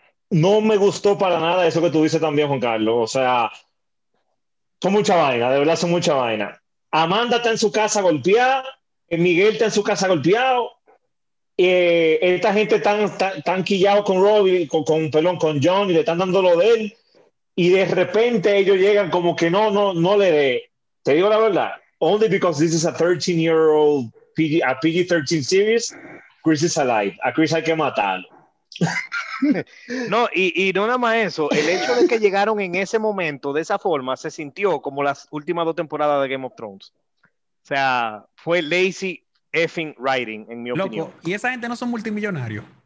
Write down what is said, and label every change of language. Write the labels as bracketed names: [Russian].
[Spanish] No me gustó para nada eso que tú dices también, Juan Carlos. O sea, son mucha vaina, de verdad son mucha vaina. Amanda está en su casa golpeada, Miguel está en su casa golpeado, esta gente tan quillado con Robbie, perdón, con John, y le están dando lo de él, y de repente ellos llegan como que no, no, no le dé. Te digo la verdad. [English] Only because this is a 13-year-old PG, a PG-13 series, Chris is alive. [Spanish] A Chris hay que matarlo. No, y no nada más eso, el hecho de que llegaron en ese momento de esa forma se sintió como las últimas dos temporadas de Game of Thrones. O sea, fue lazy effing writing, en mi Loco, opinión. y esa gente no son multimillonarios.